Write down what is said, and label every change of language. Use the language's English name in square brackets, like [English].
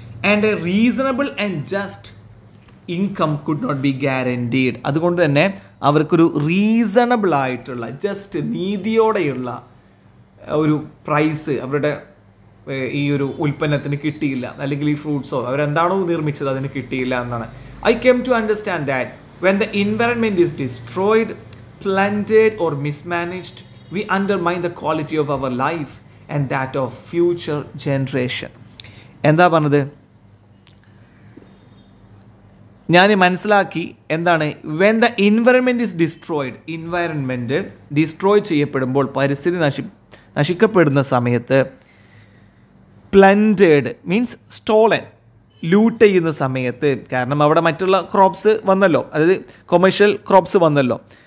[English] And a reasonable and just income could not be guaranteed. [Malayalam] അതുകൊണ്ട് തന്നെ അവർക്കൊരു reasonable ആയിട്ടുള്ള, ജസ്റ്റ്, നീതിയോടെയുള്ള ഒരു പ്രൈസ് അവരുടെ ഈ ഒരു ഉൽപ്പന്നത്തിന് കിട്ടിയില്ല, അല്ലെങ്കിൽ ഈ ഫ്രൂട്ട്സോ അവരെന്താണോ നിർമ്മിച്ചത് അതിന് കിട്ടിയില്ല എന്നാണ്. [English] I came to understand that when the environment is destroyed, plundered or mismanaged, we undermine the quality of our life and that of future generation. [Malayalam] എന്താ പറഞ്ഞത്? ഞാൻ മനസ്സിലാക്കി എന്താണ്, [English] when the environment is destroyed, environment destroyed [Malayalam] ചെയ്യപ്പെടുമ്പോൾ, പരിസ്ഥിതി നശിക്കപ്പെടുന്ന സമയത്ത്, [English] plundered means stolen, [Malayalam] loot ചെയ്യുന്ന സമയത്ത്, കാരണം അവിടെ മറ്റുള്ള ക്രോപ്സ് വന്നല്ലോ, അതായത് കൊമേഴ്ഷ്യൽ ക്രോപ്സ് വന്നല്ലോ.